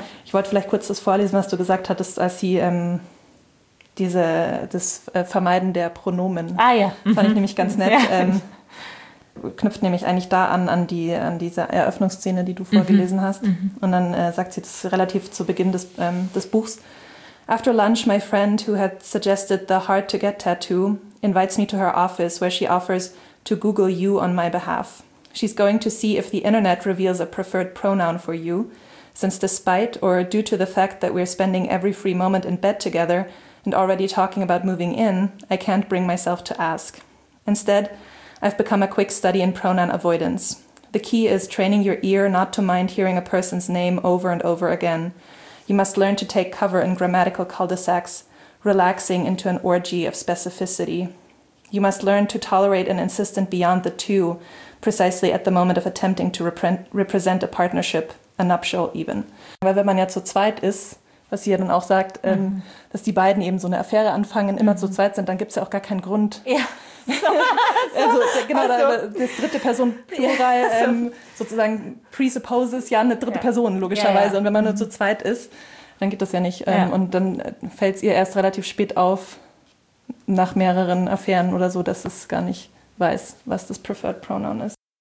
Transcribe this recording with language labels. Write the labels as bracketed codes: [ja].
[de] Ich wollte vielleicht kurz das vorlesen, was du gesagt hattest, als sie das Vermeiden der Pronomen. Ah ja. Fand ich nämlich ganz nett. Knüpft nämlich eigentlich da an diese Eröffnungsszene, die du vorgelesen hast. Mhm. Und dann sagt sie das relativ zu Beginn des Buchs. [en] After lunch, my friend, who had suggested the hard-to-get tattoo, invites me to her office, where she offers to Google you on my behalf. She's going to see if the internet reveals a preferred pronoun for you, since despite or due to the fact that we're spending every free moment in bed together and already talking about moving in, I can't bring myself to ask. Instead, I've become a quick study in pronoun avoidance. The key is training your ear not to mind hearing a person's name over and over again. You must learn to take cover in grammatical cul-de-sacs, relaxing into an orgy of specificity. You must learn to tolerate an insistent beyond the two, precisely at the moment of attempting to represent a partnership, a nuptial even. [de] Weil wenn man ja zu zweit ist, was sie ja dann auch sagt, dass die beiden eben so eine Affäre anfangen, immer zu zweit sind, dann gibt es ja auch gar keinen Grund. Ja. Also genau, das dritte Person Plural sozusagen presupposes ja eine dritte Person, logischerweise. Ja, ja. Und wenn man nur zu zweit ist, dann geht das ja nicht. Und dann fällt es ihr erst relativ spät auf, nach mehreren Affären oder so, dass es gar nicht weiß, was das Preferred Pronoun ist.